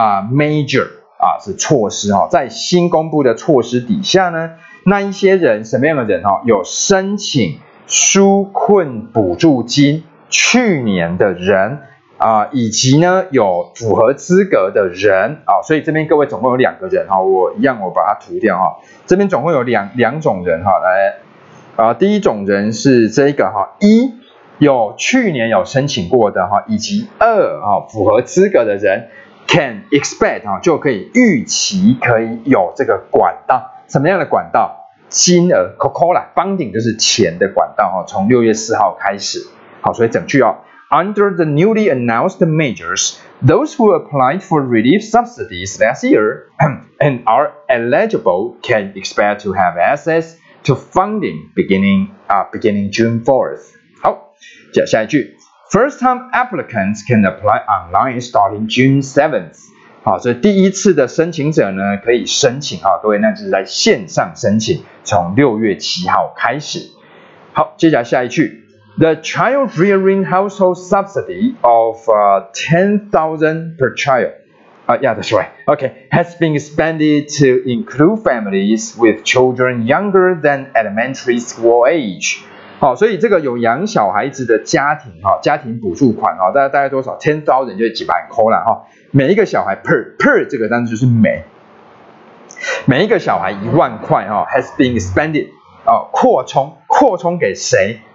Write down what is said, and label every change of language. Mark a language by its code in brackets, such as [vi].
[zh] Major 啊是措施哈、哦，在新公布的措施底下呢，那一些人什么样的人哈、哦，有申请纾困补助金去年的人啊、以及呢有符合资格的人啊、哦，所以这边各位总共有两个人哈、哦，我一样我把它涂掉哈、哦，这边总共有两种人哈、哦，来啊、第一种人是这个哈、哦、一。有去年有申请过的哈，以及二哈符合资格的人 [en] can expect [zh] 哈就可以预期可以有这个管道，什么样的管道？金额 Coca-Cola funding 就是钱的管道哈，从6月4号开始。好，所以整句哦 [en] ，Under the newly announced measures, those who applied for relief subsidies last year and are eligible can expect to have access to funding beginning June 4th. [zh] 下一句 [en] ，First time applicants can apply online starting June 7th。 [zh] 好，所以第一次的申请者呢，可以申请哈，各位那就是在线上申请，从6月7号开始。好，接下来下一句 [en] ，The child rearing household subsidy of $10,000 per child。 has been expanded to include families with children younger than elementary school age。 [zh] 好，所以这个有养小孩子的家庭哈，家庭补助款哈，大概多少 ？10,000 就是几百块啦哈。每一个小孩 per 这个单词就是每一个小孩10,000哈 ， [en] has been expanded [zh] 哦，扩充给谁？